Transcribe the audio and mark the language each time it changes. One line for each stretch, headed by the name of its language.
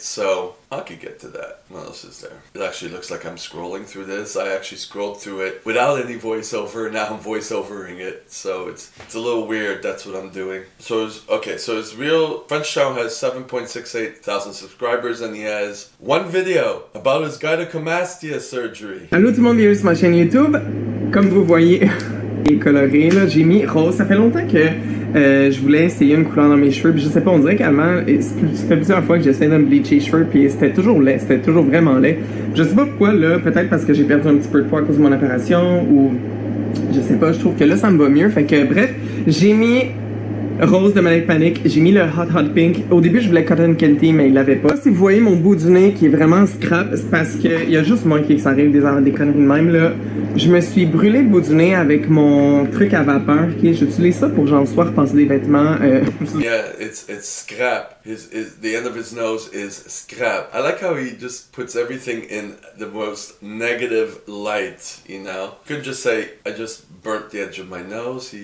English: So I could get to that. What else is there? It actually looks like I'm scrolling through this. I actually scrolled through it without any voiceover. Now I'm voiceovering it. So it's a little weird. That's what I'm doing. So it's, okay, so his real French channel has 7,680,000 subscribers and he has one video about his gynecomastia surgery.
French: Hello tout le monde, bienvenue sur ma chaîne YouTube. Comme vous voyez, coloré, là. J'ai mis rose. Ça fait longtemps que je voulais essayer une couleur dans mes cheveux. Puis je sais pas, on dirait qu'avant, c'était plusieurs fois que j'essayais de me bleacher les cheveux. Puis c'était toujours laid, c'était toujours vraiment laid. Je sais pas pourquoi, là. Peut-être parce que j'ai perdu un petit peu de poids à cause de mon opération. Ou je sais pas, je trouve que là, ça me va mieux. Fait que bref, j'ai mis rose de Manic Panic. J'ai mis le Hot Hot Pink. Au début, je voulais Cotton Candy, mais il l'avait pas. Là, si vous voyez mon bout du nez qui est vraiment scrap, c'est parce qu'il y a juste moi qui ça arrive des conneries de même, là. Je me suis brûlé le bout du nez avec mon truc à vapeur. Okay, j'utilise ça pour genre soir passer des vêtements.
English: Yeah, it's scrap. His the end of his nose is scrap. I like how he just puts everything in the most negative light, you know? You couldn't just say, I just burnt the edge of my nose.